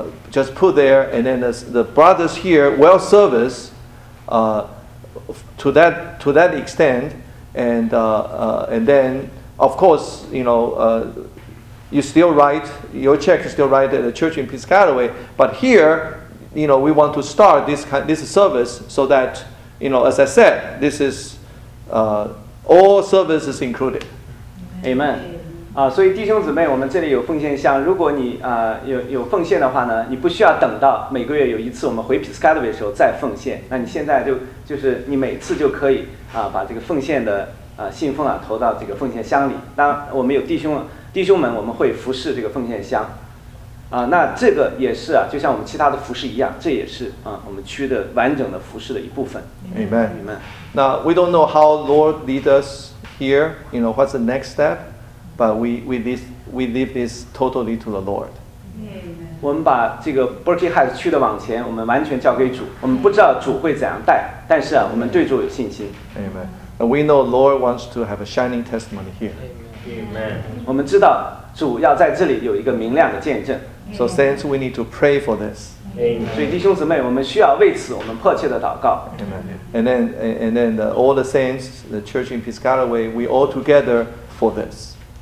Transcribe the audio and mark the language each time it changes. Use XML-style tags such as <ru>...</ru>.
<en>Just put there, and then the brothers here will service to that extent, and then of course you still write your check, you still write at the church in Piscataway, but here we want to start this service so that as I said, this is all services included. Amen.</en> <zh>所以弟兄姊妹，我们这里有奉献箱，如果你有奉献的话呢，你不需要等到每个月有一次我们回 Piscataway 的时候再奉献，那你现在就是你每次就可以把这个奉献的信封投到这个奉献箱里。当我们有弟兄们，我们会服侍这个奉献箱那这个也是就像我们其他的服侍一样，这也是我们区的完整的服侍的一部分。</zh> <en>Amen. Amen. Now we don't know how Lord lead us here, what's the next stepBut we leave this totally to the Lord.</en> <zh>Amen. 我们把这个 Berkeley Heights 区的往前，我们完全交给主。我们不知道主会怎样带，但是我们对主有信心。</zh> <en>Amen. And we know Lord wants to have a shining testimony here. Amen.</en> <zh>我们知道主要在这里有一个明亮的见证。</zh> <en>So saints, we need to pray for this. Amen.</en> <zh>所以弟兄姊妹，我们需要为此我们迫切的祷告。</zh> <en>Amen. And then all the saints, the church in Piscataway, we all together for this.</en>